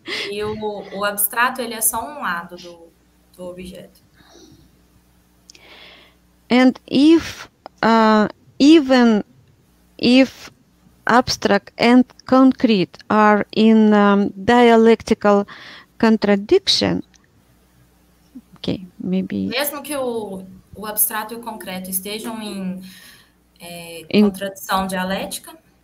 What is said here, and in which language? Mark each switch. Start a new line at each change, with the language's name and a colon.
Portuguese: E o abstrato, ele é só um lado do objeto.
English: And if, even if abstract and concrete are in dialectical contradiction, okay, maybe...
Portuguese: Mesmo que o abstrato e o concreto estejam em contradição dialética.